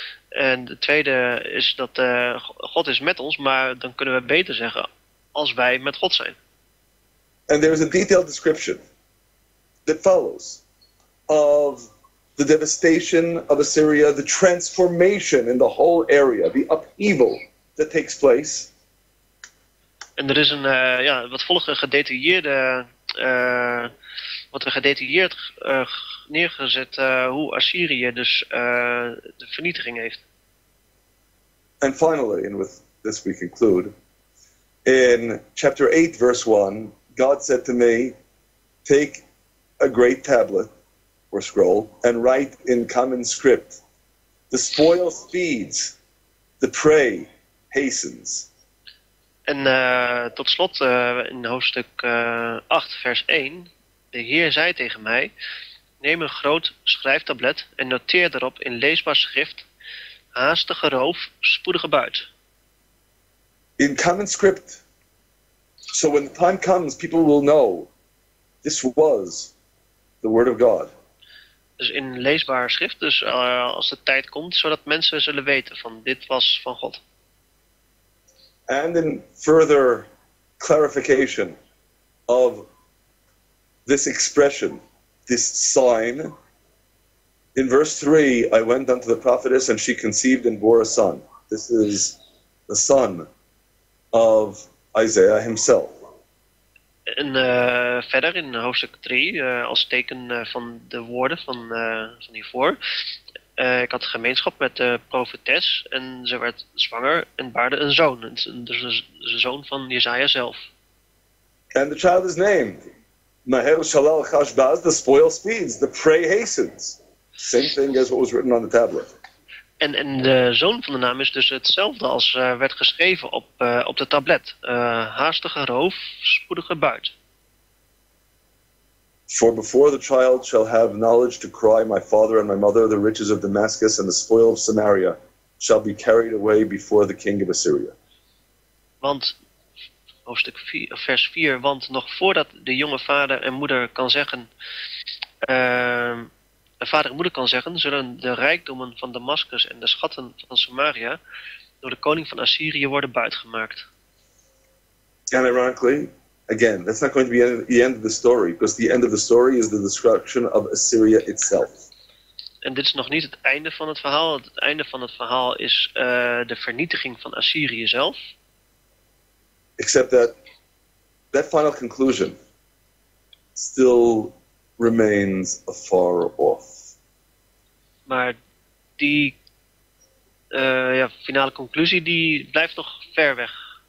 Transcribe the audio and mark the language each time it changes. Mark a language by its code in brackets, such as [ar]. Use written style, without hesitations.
[nl] En de tweede is dat God is met ons, maar dan kunnen we beter zeggen als wij met God zijn. [en] And there is a detailed description that follows of the devastation of Assyria, the transformation in the whole area, the upheaval that takes place. [nl] En er is een ja, wat volgende gedetailleerde, wat er gedetailleerd neergezet hoe Assyrië dus de vernietiging heeft. [en] And finally, and with this we conclude, in chapter 8, verse 1, God said to me, take a great tablet or scroll and write in common script, the spoil speeds, the prey hastens. [nl] En tot slot in hoofdstuk 8, vers 1. De Heer zei tegen mij, neem een groot schrijftablet en noteer erop in leesbaar schrift, haastige roof, spoedige buit. [en] In common script, So when the time comes, people will know this was the word of God. [nl] Dus in leesbaar schrift, dus als de tijd komt, zodat mensen zullen weten van dit was van God. [en] And in further clarification of this expression, this sign, in verse 3, I went unto the prophetess and she conceived and bore a son. This is the son of Isaiah himself. [nl] En verder in hoofdstuk 3, als teken van de woorden van hiervoor. Ik had gemeenschap met de profetes en ze werd zwanger en baarde een zoon. Dus de zoon van Jesaja zelf. [en] And the child is named Maher Shalal Chashbaz, the spoil speeds, the prey hastens. Same thing as what was written on the tablet. [nl] En de zoon van de naam is dus hetzelfde als werd geschreven op de tablet. Haastige roof, spoedige buit. [en] For before the child shall have knowledge to cry, my father and my mother, the riches of Damascus and the spoil of Samaria shall be carried away before the king of Assyria. [nl] Want, hoofdstuk 4, vers 4, want nog voordat de jonge vader en moeder kan zeggen... vader en moeder kan zeggen, zullen de rijkdommen van Damascus en de schatten van Samaria door de koning van Assyrië worden buitgemaakt. [en] And ironically, again, that's not going to be the end of the story, because the end of the story is the destruction of Assyria itself. [nl] En dit is nog niet het einde van het verhaal. Het einde van het verhaal is de vernietiging van Assyrië zelf. [en] Except that that final conclusion still remains afar off. [nl] Maar die finale conclusie die blijft nog ver weg.